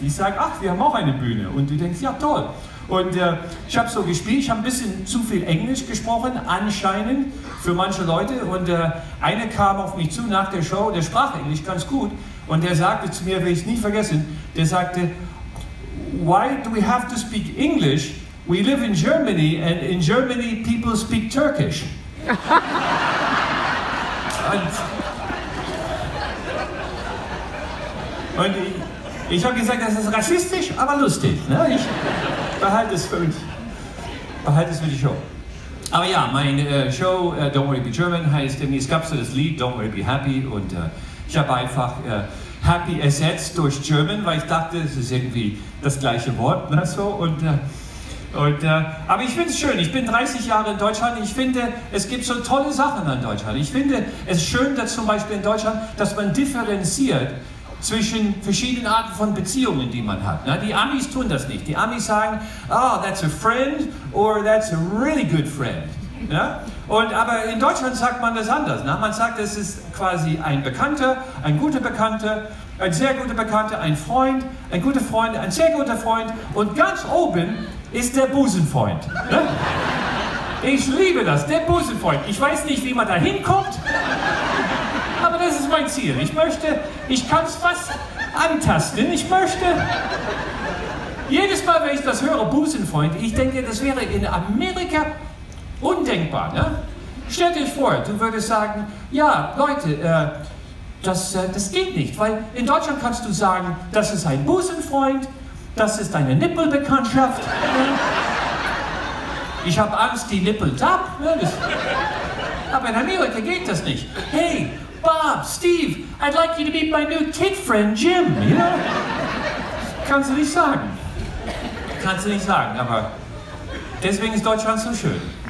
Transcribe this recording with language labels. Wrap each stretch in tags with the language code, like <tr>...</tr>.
<de>Die sagen, ach, wir haben auch eine Bühne. Und du denkst, ja, toll. Und ich habe so gespielt. Ich habe ein bisschen zu viel Englisch gesprochen, anscheinend, für manche Leute. Und einer kam auf mich zu nach der Show, der sprach Englisch ganz gut. Und der sagte zu mir, will ich es nie vergessen, der sagte,</de> <en>why do we have to speak English? We live in Germany, and in Germany, people speak Turkish.</en> <de>Und ich habe gesagt, das ist rassistisch, aber lustig. Ne? Ich behalte es für mich. Behalte es für die Show. Aber ja, mein Show, Don't Worry Be German, heißt, es gab so das Lied, Don't Worry Be Happy, und ich habe einfach Happy ersetzt durch German, weil ich dachte, es ist irgendwie das gleiche Wort. Ne? So, aber ich finde es schön. Ich bin 30 Jahre in Deutschland. Ich finde, es gibt so tolle Sachen an Deutschland. Ich finde es schön, dass zum Beispiel in Deutschland, dass man differenziert zwischen verschiedenen Arten von Beziehungen, die man hat. Na, die Amis tun das nicht. Die Amis sagen,</de> <en>oh, that's a friend or that's a really good friend.</en> <de>Ja? Und, aber in Deutschland sagt man das anders. Na? Man sagt, es ist quasi ein Bekannter, ein guter Bekannter, ein sehr guter Bekannter, ein Freund, ein guter Freund, ein sehr guter Freund und ganz oben ist der Busenfreund. Ich liebe das, der Busenfreund. Ich weiß nicht, wie man da hinkommt, aber das ist mein Ziel. Ich kann es fast antasten. Ich möchte, jedes Mal, wenn ich das höre, Busenfreund, ich denke, das wäre in Amerika undenkbar. Ne? Stell dir vor, du würdest sagen, ja, Leute, das geht nicht, weil in Deutschland kannst du sagen, das ist ein Busenfreund, das ist eine Nippelbekanntschaft. Ich habe Angst, die nippelt ab. Aber in Amerika geht das nicht.</de> <en>Hey, Bob, Steve, I'd like you to meet my new kid friend, Jim. You know?</en> <de>Kannst du nicht sagen. Kannst du nicht sagen, aber deswegen ist Deutschland so schön.</de>